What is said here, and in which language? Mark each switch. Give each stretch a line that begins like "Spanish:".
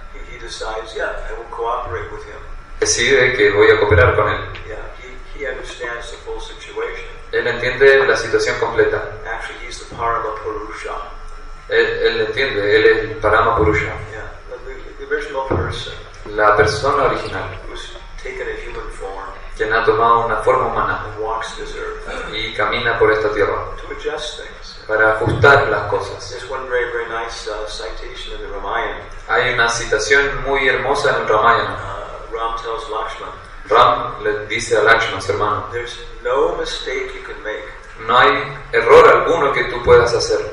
English: He decides, I will cooperate with him.
Spanish: Decide que voy a cooperar con él.
English: He understands the full situation.
Spanish: Él entiende la situación completa.
English: Actually, he's the Parama Purusha.
Spanish: Él entiende, él es Parama Purusha.
English: The original person,
Spanish: la persona original,
English: who's taken a human form,
Spanish: quien ha tomado una forma humana,
English: and walks this earth,
Spanish: y camina por esta tierra
English: to adjust things,
Spanish: para ajustar las cosas.
English: There's one very, very nice, citation in the Ramayana.
Spanish: Hay una citación muy hermosa en el Ramayana.
English: Ram tells Lakshman,
Spanish: Ram le dice a Lakshman, su hermano,
English: there's no mistake you can make.
Spanish: No hay error alguno que tú puedas hacer.